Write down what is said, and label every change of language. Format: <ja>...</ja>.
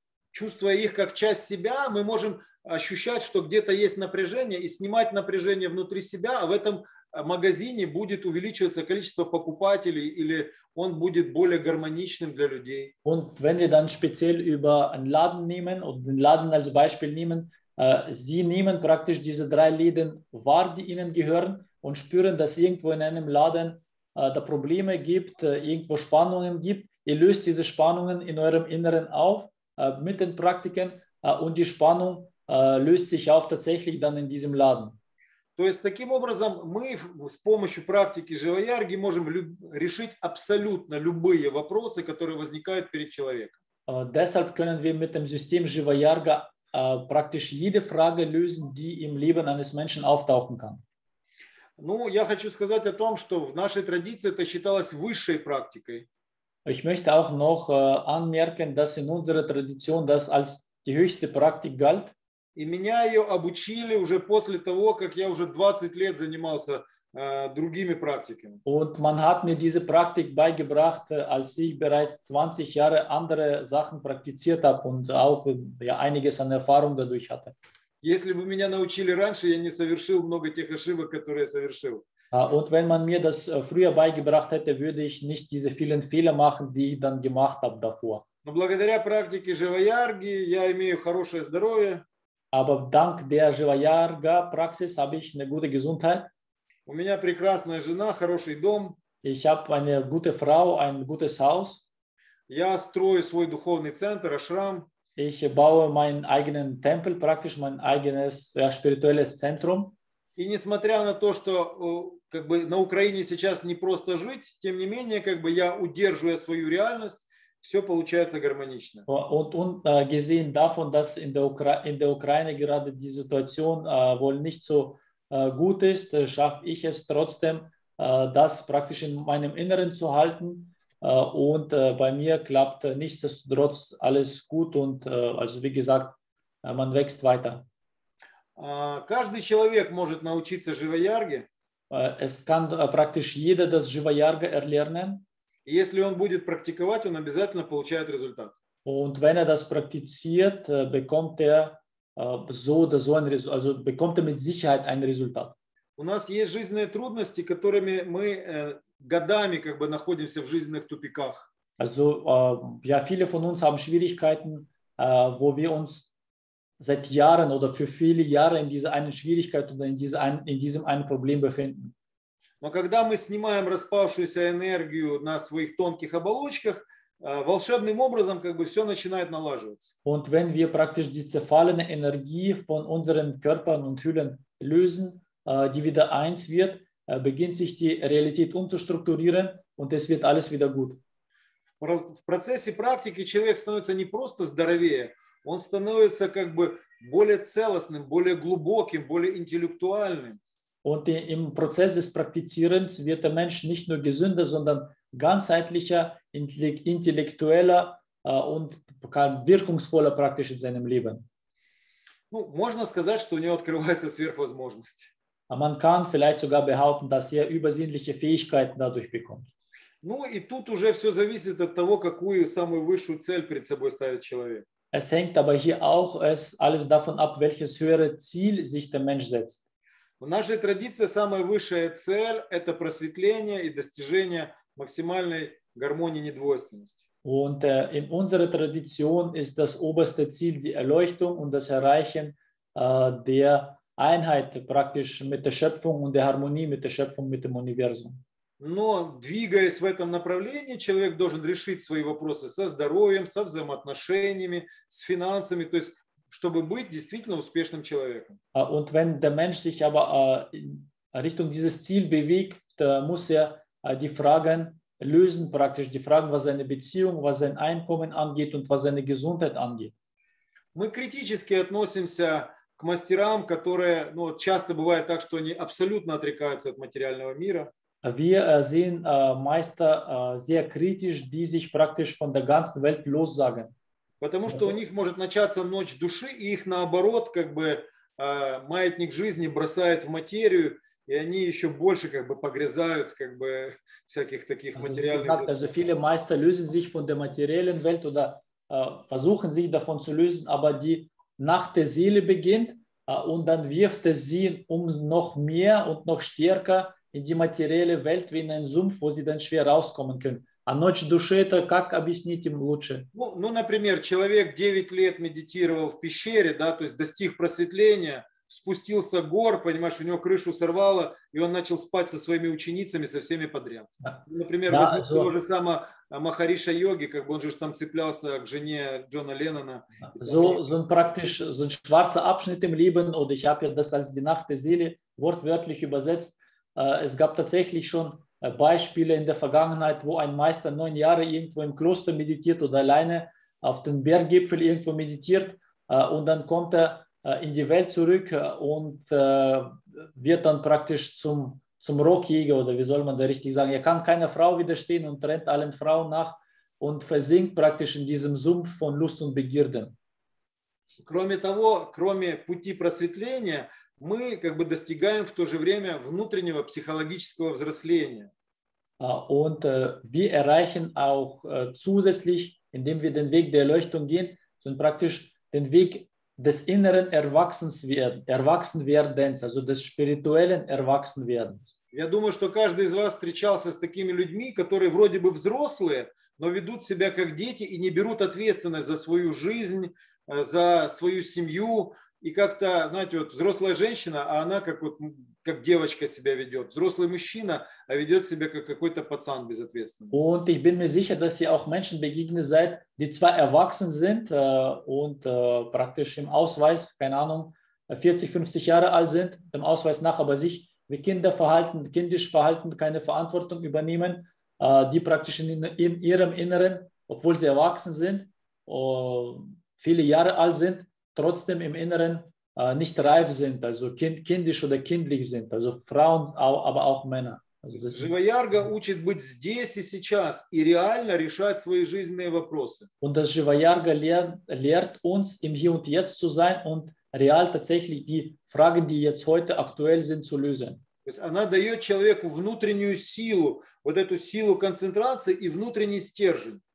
<ru>Чувствуя их как часть себя, мы можем ощущать, что где-то есть напряжение и снимать напряжение внутри себя, а в этом магазине будет увеличиваться количество покупателей или он будет более гармоничным для людей.</ru> <de>Und wenn wir dann speziell über einen Laden nehmen und den Laden als Beispiel nehmen, Sie nehmen praktisch diese drei Läden wahr, die Ihnen gehören und spüren, dass irgendwo in einem Laden da Probleme gibt, irgendwo Spannungen gibt. Ihr löst diese Spannungen in eurem Inneren auf mit den Praktiken und die Spannung löst sich auf tatsächlich dann in diesem Laden.</de> <ru>То есть таким образом мы с помощью практики Живаярги можем решить абсолютно любые вопросы, которые возникают перед человеком.</ru> <de>Deshalb können wir mit dem System Живаярга praktisch jede Frage lösen, die im Leben eines Menschen auftauchen kann.</de> <ru>Ну, я хочу сказать о том, что в нашей традиции это считалось высшей практикой.</ru> <de>Ich möchte auch noch anmerken, dass in unserer Tradition das als die höchste Praktik galt.</de> <ru>И меня ее обучили уже после того, как я уже 20 лет занимался другими практиками.</ru> <de>Und man hat mir diese Praktik beigebracht, als ich bereits 20 Jahre andere Sachen praktiziert habe und auch ja, einiges an Erfahrung dadurch hatte.</de> <ru>Если бы меня научили раньше, я не совершил много тех ошибок, которые я совершил.</ru> <de>Und wenn man mir das früher beigebracht hätte, würde ich nicht diese vielen Fehler machen, die ich dann gemacht habe davor.</de> <ru>Но благодаря практике Живаярги я имею хорошее здоровье.</ru> <de>Aber dank der Живаярга-Praxis habe ich eine gute Gesundheit.</de> <ru>У меня прекрасная жена, хороший дом.</ru> <de>Ich habe eine gute Frau, ein gutes Haus.</de> <ru>Я строю свой духовный центр, ашрам.</ru> <de>Ich baue meinen eigenen Tempel, praktisch mein eigenes spirituelles Zentrum.</de> <ru>И несмотря на то, что как бы на Украине сейчас не просто жить, тем не менее, как бы я удерживаю свою реальность, все получается гармонично.</ru> <de>Und gesehen davon, dass in der Ukraine gerade die Situation wohl nicht so gut ist, schaffe ich es trotzdem, das praktisch in meinem Inneren zu halten. Und bei mir klappt nichtsdestotrotz alles gut und also wie gesagt, man wächst weiter.</de> <ru>Каждый человек может научиться Живаярге.</ru> <de>Es kann praktisch jeder das Живаярга erlernen.</de> <ru>Если он будет практиковать, он обязательно получает результат.</ru> <de>Und wenn das praktiziert, bekommt so oder so ein Resultat, also bekommt mit Sicherheit ein Resultat.</de> <ru>У нас есть жизненные трудности, которыми мы годами как бы находимся в жизненных тупиках.</ru> <de>Also, ja, viele von uns haben Schwierigkeiten, wo wir uns seit Jahren oder für viele Jahre in dieser einen Schwierigkeit oder in diesem einen Problem befinden.</de> <ru>Но когда мы снимаем распавшуюся энергию на своих тонких оболочках, волшебным образом как бы все начинает налаживаться.</ru> <de>Und wenn wir praktisch die zerfallene Energie von unseren Körpern und Hüllen lösen, die wieder eins wird, beginnt sich die Realität umzustrukturieren und es wird alles wieder gut.</de> <ru>В процессе практики человек становится не просто здоровее, он становится как бы более целостным, более глубоким, более интеллектуальным.</ru> <de>Und im Prozess des Praktizierens wird der Mensch nicht nur gesünder, sondern ganzheitlicher, intellektueller und wirkungsvoller praktisch in seinem Leben.</de> <ru>Ну, можно сказать, что у него открывается сверхвозможность.</ru> <de>Man kann vielleicht sogar behaupten, dass er übersinnliche Fähigkeiten dadurch bekommt.</de> <ru>Ну, и тут уже все зависит от того, какую самую высшую цель перед собой ставит человек.</ru> <de>Es hängt aber hier auch alles davon ab, welches höhere Ziel sich der Mensch setzt.</de> <ru>В нашей традиции самая высшая цель – это просветление и достижение максимальной гармонии недвойственности.</ru> <de>Und in unserer Tradition ist das oberste Ziel die Erleuchtung und das Erreichen der Einheit praktisch mit der Schöpfung und der Harmonie mit der Schöpfung, mit dem Universum.</de> <ru>Но двигаясь в этом направлении, человек должен решить свои вопросы со здоровьем, со взаимоотношениями, с финансами, то есть чтобы быть действительно успешным человеком.</ru> <de>Und wenn der Mensch sich aber in Richtung dieses Ziel bewegt, muss die Fragen lösen, praktisch die Fragen, was seine Beziehung, was sein Einkommen angeht und was seine Gesundheit angeht.</de> <ru>Мы критически относимся к мастерам, которые, ну, часто бывает так, что они абсолютно отрекаются от материального мира.</ru> <de>Wir sehen Meister sehr kritisch, die sich praktisch von der ganzen Welt lossagen.</de> <ru>Потому что у них может начаться ночь души, и их наоборот, как бы маятник жизни бросает в материю, и они еще больше как бы погрязают как бы всяких таких материальных.</ru> <de>Also, gesagt, also viele Meister lösen sich von der materiellen Welt oder versuchen sich davon zu lösen, aber die Nacht der Seele beginnt und dann wirft es sie noch mehr und noch stärker in die materielle Welt wie in einen Sumpf, wo sie dann schwer rauskommen können.</de> <ru>А ночь души – это как объяснить им лучше? Ну, ну, например, человек 9 лет медитировал в пещере, да, то есть достиг просветления, спустился гор, понимаешь, у него крышу сорвало, и он начал спать со своими ученицами, со всеми подряд. Например, да, возьмите того же самого Махариша Йоги, как бы он же там цеплялся к жене Джона Леннона.</ru> <de>So ein praktisch, so ein schwarzer Abschnitt im Leben, und ich habe ja das als die Nacht der Seele wortwörtlich übersetzt, es gab tatsächlich schon Beispiele in der Vergangenheit, wo ein Meister 9 Jahre irgendwo im Kloster meditiert oder alleine auf den Berggipfel irgendwo meditiert und dann kommt er in die Welt zurück und wird dann praktisch zum Rockjäger oder wie soll man da richtig sagen, er kann keiner Frau widerstehen und rennt allen Frauen nach und versinkt praktisch in diesem Sumpf von Lust und Begierden.</de> <ru>Кроме того, кроме пути просветления, мы как бы достигаем в то же время внутреннего психологического взросления.</ru> <de>Und wir erreichen auch zusätzlich, indem wir den Weg der Erleuchtung gehen, sind praktisch den Weg des inneren Erwachsenwerdens, also des spirituellen Erwachsenwerdens.</de> <ru>Я думаю, что каждый из вас встречался с такими людьми, которые вроде бы взрослые, но ведут себя как дети и не берут ответственность за свою жизнь, за свою семью. И как-то, знаете, вот взрослая женщина, а она как, вот, как девочка себя ведет. Взрослый мужчина, а ведет себя как какой-то пацан безответственный.</ru> <de>Und ich bin mir sicher, dass ihr auch Menschen begegnet seid, die zwar erwachsen sind und praktisch im Ausweis, keine Ahnung, 40, 50 Jahre alt sind, dem Ausweis nach, aber sich wie Kinder verhalten, kindisch verhalten, keine Verantwortung übernehmen, die praktisch in ihrem Inneren, obwohl sie erwachsen sind, viele Jahre alt sind, trotzdem im Inneren nicht reif sind, also kindisch oder kindlich sind, also Frauen, aber auch Männer.</de> <ru>Живоярга учит быть здесь и сейчас и реально решать свои жизненные вопросы.</ru> <de>Und das Живоярга lehrt uns, im Hier und Jetzt zu sein und real tatsächlich die Fragen, die jetzt heute aktuell sind, zu lösen.</de> <ru>То есть она дает человеку внутреннюю силу, вот эту силу концентрации и внутренний стержень.</ru>